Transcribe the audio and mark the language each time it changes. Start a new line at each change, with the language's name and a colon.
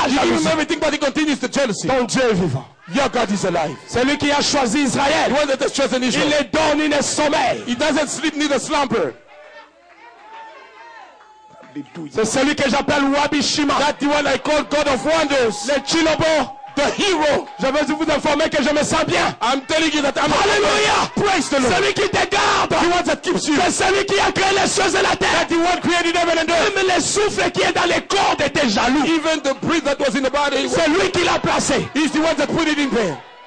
English: He gives everything but he continues the jealousy.
French: Ton Dieu est vivant.
English: Your God is alive.
French: C'est lui qui a choisi Israël.
English: The one that has chosen Israel.
French: Il ne donne ni sommeil.
English: He doesn't sleep neither slumber.
French: C'est celui que j'appelle Wabi Shima.
English: That the one I call God of Wonders.
French: Le Chilobo.
English: The hero.
French: Je vais vous informer que je me sens bien.
English: I'm telling you that I'm. Hallelujah. Praise the Lord.
French: Celui qui te garde.
English: The one that keeps you.
French: C'est celui qui a créé les cieux et la terre.
English: That the one created heaven and earth.
French: Même le souffle qui est dans les corps de tes jaloux.
English: Even the breath that was in the body.
French: C'est lui qui l'a placé.
English: He's the one that put it in there.